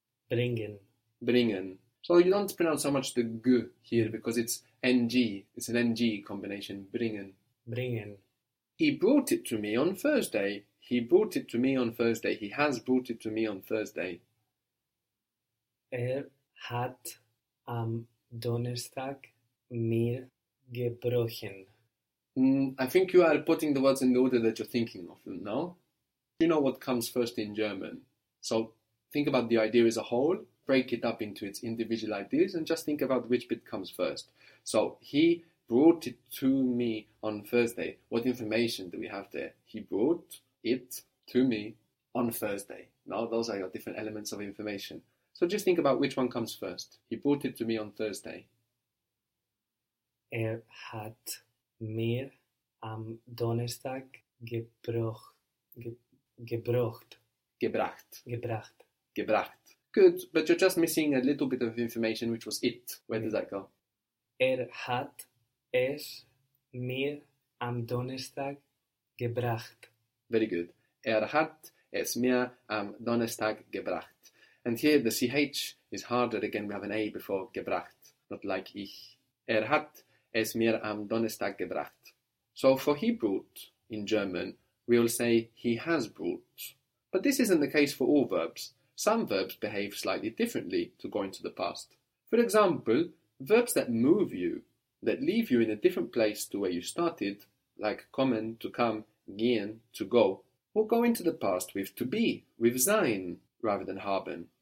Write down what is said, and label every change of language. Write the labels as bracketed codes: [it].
[de] Bringen. Bringen. [en] So you don't pronounce so much the G here because it's NG. It's an NG combination. Bringen. [de] Bringen. [en] He brought it to me on Thursday. He brought it to me on Thursday. He has brought it to me on Thursday. [de] Hat am Donnerstag mir gebrochen. [en] I think you are putting the words in the order that you're thinking of them, no? You know what comes first in German. So think about the idea as a whole, break it up into its individual ideas, and just think about which bit comes first. So he brought it to me on Thursday. What information do we have there? He brought it to me on Thursday. Now those are your different elements of information. So just think about which one comes first. He brought it to me on Thursday. [de] Hat mir am Donnerstag gebracht. Gebracht. Gebracht. Gebracht. [en] Good, but you're just missing a little bit of information, which was it. Where does that go? [de] Hat es mir am Donnerstag gebracht. [en] Very good. [de] Hat es mir am Donnerstag gebracht. [en] And here the CH is harder. Again, we have an A before gebracht, not like ich. Hat [de] es mir am Donnerstag gebracht. [en] So for he brought, in German, we will say he has brought. But this isn't the case for all verbs. Some verbs behave slightly differently to going to the past. For example, verbs that move you, that leave you in a different place to where you started, like kommen, to come, gehen, to go, will go into the past with to be, with sein, rather than haben.